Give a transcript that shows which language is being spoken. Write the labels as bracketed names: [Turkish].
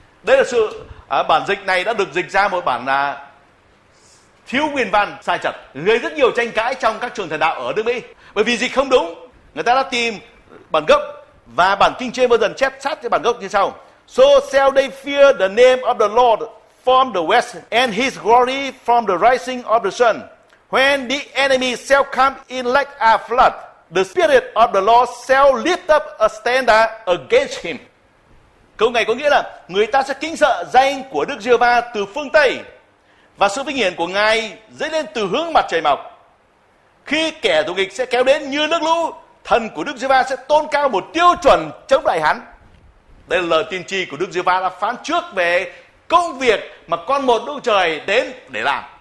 [Vietnamese] Đây là sự bản dịch này đã được dịch ra một bản là thiếu nguyên văn, sai chật, gây rất nhiều tranh cãi trong các trường thần đạo ở nước Mỹ. Bởi vì dịch không đúng, người ta đã tìm bản gốc và bản King James dần chép sát cái bản gốc như sau: [English] So shall they fear the name of the Lord from the west and his glory from the rising of the sun. When the enemy shall come in like a flood, the spirit of the Lord shall lift up a standard against him. [Vietnamese] Câu này có nghĩa là người ta sẽ kính sợ danh của Đức Giê-hô-va từ phương Tây và sự vinh hiển của Ngài dấy lên từ hướng mặt trời mọc. Khi kẻ thù nghịch sẽ kéo đến như nước lũ, thần của Đức Giê-hô-va sẽ tôn cao một tiêu chuẩn chống lại hắn. Đây là lời tiên tri của Đức Giê-hô-va đã phán trước về công việc mà con một Đức Trời đến để làm.